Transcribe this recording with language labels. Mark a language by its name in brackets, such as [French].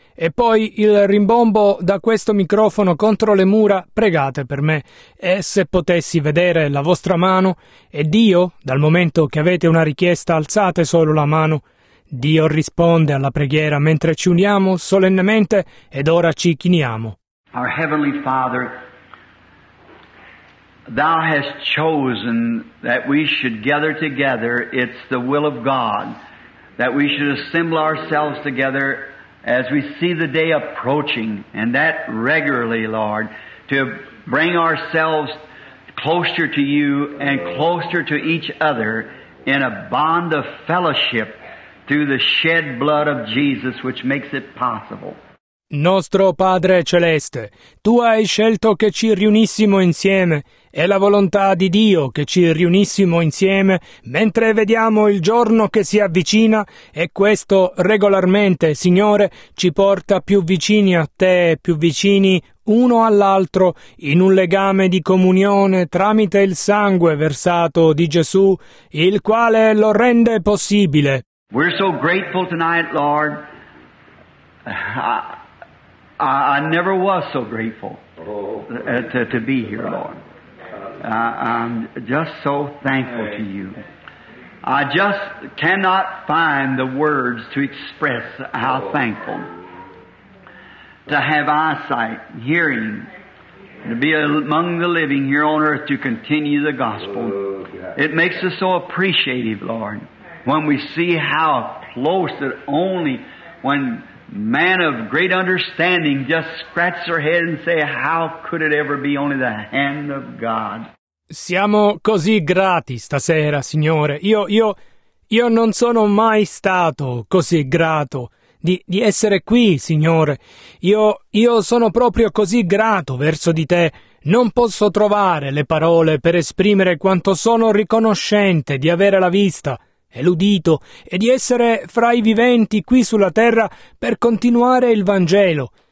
[Italian] E poi il rimbombo da questo microfono contro le mura, pregate per me. E se potessi vedere la vostra mano, e Dio, dal momento che avete una richiesta, alzate solo la mano. Dio risponde alla preghiera mentre ci uniamo solennemente ed ora ci chiniamo. [English] Our Heavenly Father, Thou hast chosen that we should gather together. It's the will of God that we should assemble ourselves together as we see the day approaching, and that regularly, Lord, to bring ourselves closer to You and closer to each other in a bond of fellowship through the shed blood of Jesus, which makes it possible. [Italian] Nostro Padre Celeste, Tu hai scelto che ci riunissimo insieme, è la volontà di Dio che ci riunissimo insieme mentre vediamo il giorno che si avvicina, e questo regolarmente, Signore, ci porta più vicini a Te, più vicini uno all'altro in un legame di comunione tramite il sangue versato di Gesù, il quale lo rende possibile. [English] We're so grateful tonight, Lord. I never was so grateful to be here, Lord. I'm just so thankful to You. I just cannot find the words to express how thankful to have eyesight, hearing, to be among the living here on earth to continue the gospel. It makes us so appreciative, Lord, when we see how close that only when man of great understanding just scratch their head and say, how could it ever be only the hand of God? [Italian] Siamo così grati stasera, Signore. Io non sono mai stato così grato di essere qui, Signore. Io sono proprio così grato verso di Te. Non posso trovare le parole per esprimere quanto sono riconoscente di avere la vista e l'udito, e di essere fra i viventi qui sulla terra per continuare il Vangelo.